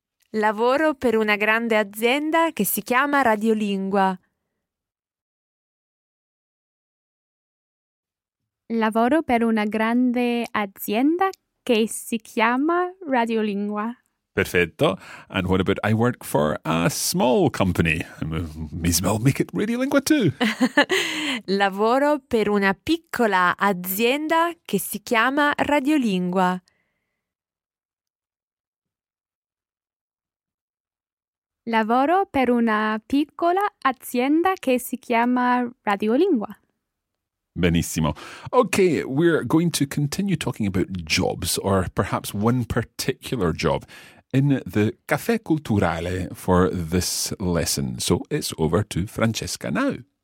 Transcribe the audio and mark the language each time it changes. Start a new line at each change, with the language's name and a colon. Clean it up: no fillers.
Italian: Lavoro per una grande azienda che si chiama Radiolingua. Lavoro per una grande azienda che si chiama Radiolingua. Perfetto.
English: And what about I work for a small company? May as well make it radiolingua too.
Italian: Lavoro per una piccola azienda che si chiama Radiolingua. Lavoro per una piccola azienda che si chiama Radiolingua. Benissimo.
English: Okay, we're going to continue talking about jobs, or perhaps one particular job, in the Caffè Culturale for this lesson. So it's over to Francesca now.